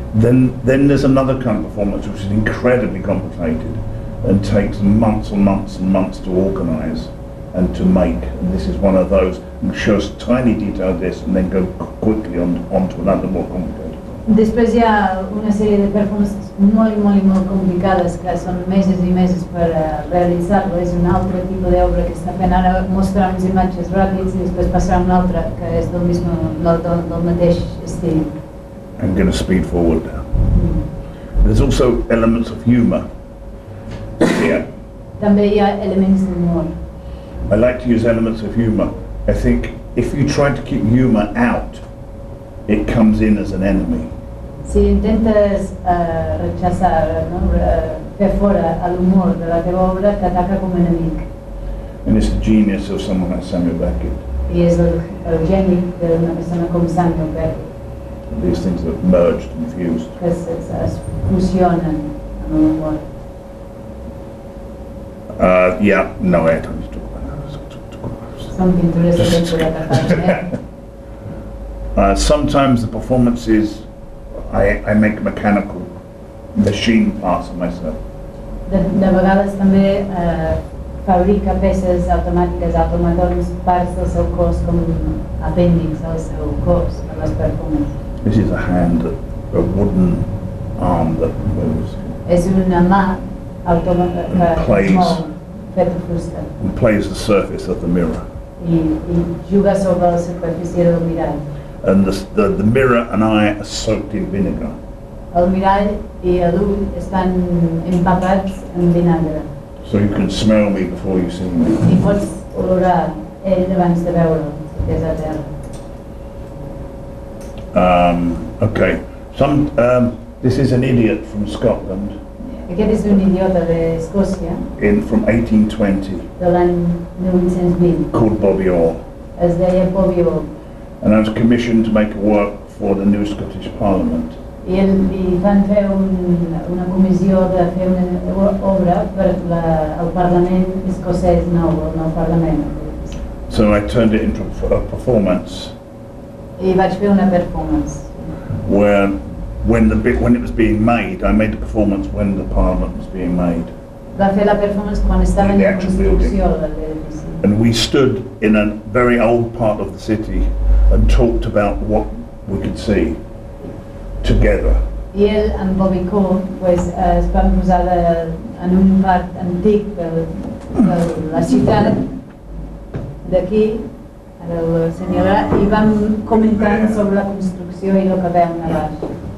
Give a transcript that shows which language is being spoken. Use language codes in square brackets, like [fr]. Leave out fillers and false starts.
[en] Then there's another kind of performance which is incredibly complicated and takes months and months and months to organize and to make. And this is one of those. And shows tiny detail this and then go quickly on to another more complicated. [ca] Després hi ha una sèrie de performances molt, molt, molt complicades que són meses i meses per realitzar-lo. És un altre tipus d'obra que està fent ara, mostrar uns imatges ràpids i després passar a una altra que és del mateix estil. [en] I'm going to speed forward now. There's also elements of humor here. [ca] També hi ha elements d'humor. [en] I like to use elements of humor. I think if you try to keep humor out, it comes in as an enemy. [ca] Si intentes [es] rechazar, [ca] no? Fer fora l'humor de la teva obra, t'ataca com un enemic. [en] And it's the genius of someone like Samuel Beckett. [ca] I és el geni d'una persona com Samuel Beckett. [en] And these things are merged and fused. [ca] Que es fusionen en l'humor. [en] I don't need to talk about that. Some pintures are going to let that pass. Sometimes the performances, I make mechanical machine parts of myself. [ca] De vegades també fabrica peces automàtiques, automatons, parts del seu cos com appendix al seu cos, a les performances. [en] This is a hand, a wooden arm that moves. [ca] És una mà automàtica que es mou. [en] And plays the surface of the mirror. And the mirror and I are soaked in vinegar. [ca] El mirall i el ull estan empapats en vinagre. [en] So you can smell me before you see me. [ca] I pots olorar ell abans de veure'l, que és a terra. [en] Okay. This is an idiot from Scotland. [ca] Aquest és un idiota d'Escòcia. [en] From 1820. [ca] De l'any 1920. [en] Called Bobby Orr. [ca] Es deia Bobby Orr. [en] And I was commissioned to make a work for the new Scottish Parliament. [ca] I ell li van fer una comissió de fer una obra per al Parlament escocès nou, el nou Parlament. [en] So I turned it into a performance. [ca] I vaig fer una performance. [en] Where when it was being made. I made the performance when the Parliament was being made. [ca] Va fer la performance quan estava en construcció. [en] And we stood in a very old part of the city and talked about what we could see together. [ca] I ell amb Bobby Cole pues, es van posar en un part antic de la ciutat d'aquí, a la senyora, i vam comentar sobre la construcció i el que vam anar a